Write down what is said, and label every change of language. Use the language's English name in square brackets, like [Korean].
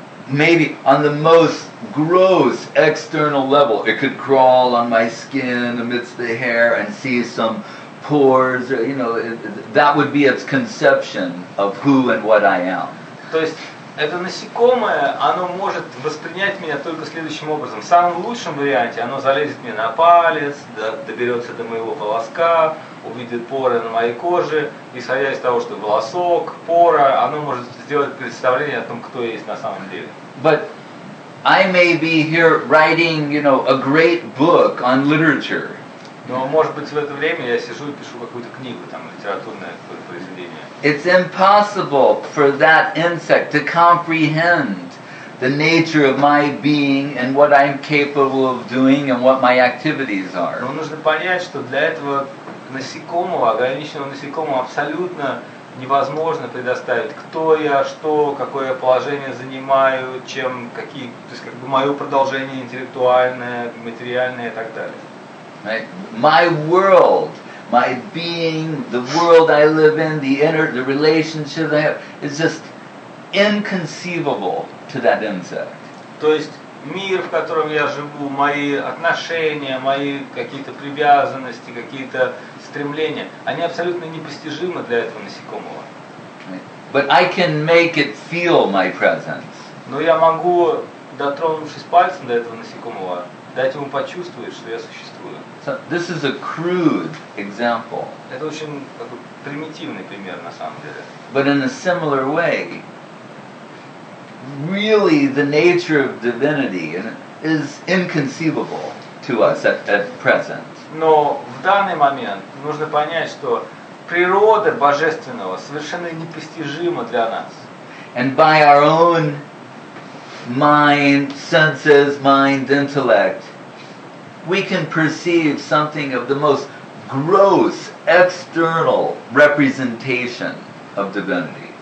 [English] Maybe on the most gross external level, it could crawl on my skin amidst the hair and see some pores. Or, you know, that would be its conception of who and what I am. [Russian] То есть это насекомое, оно может воспринять меня только следующим образом. В самом лучшем варианте оно залезет мне на палец, доберется до моего волоска, увидит поры на моей коже, исходя из того, что волосок, пора, оно может сделать представление о том, кто я есть на самом деле. [English] But I may be here writing, you know, a great book on literature. [Russian] Но может быть в это время я сижу и пишу какую-то книгу, там, литературное какое-то произведение. [English] It's impossible for that insect to comprehend the nature of my being and what I'm capable of doing and what my activities are. [Russian] Но нужно понять, что для этого насекомого, ограниченного насекомого, абсолютно невозможно предоставить, кто я, что, какое положение занимаю, чем, какие, то есть как бы мое продолжение интеллектуальное, материальное и так далее. [English] Right? My world. My being, the world I live in, the relationship I have, is just inconceivable to that insect. [Russian] То есть мир, в котором я живу, мои отношения, мои какие-то привязанности, какие-то стремления, они абсолютно непостижимы для этого насекомого. [English] But I can make it feel my presence. [Russian] Но я могу, дотронувшись пальцем до этого насекомого, дать ему почувствовать, что я существую. [English] So, this is a crude example. [Russian] Это очень такой примитивный пример на самом деле. [English] But in a similar way, really the nature of divinity is inconceivable to us at present. [Russian] Но в данный момент нужно понять, что природа божественного совершенно непостижима для нас. [English] And by our own mind, senses, mind, intellect, we can perceive something of the most gross external representation of divinity.